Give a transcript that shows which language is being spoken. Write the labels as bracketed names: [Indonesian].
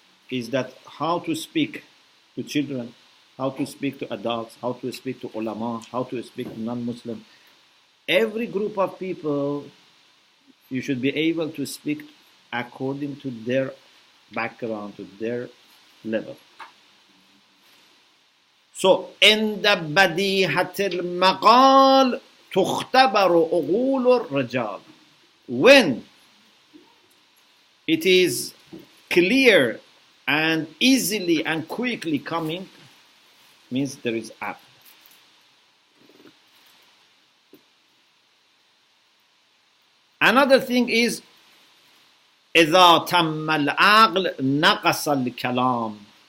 [English] is that how to speak to children, how to speak to adults, how to speak to ulama, how to speak to non-Muslim. Every group of people, you should be able to speak according to their background, to their level. [Arabic] So, عند بديهة المقال تختبر عقول الرجال. [English] When it is clear and easily and quickly coming, means there is up. Another thing is, [Arabic] إِذَا تَمَّ الْعَقْلِ نَقَصَ الْكَلَامِ.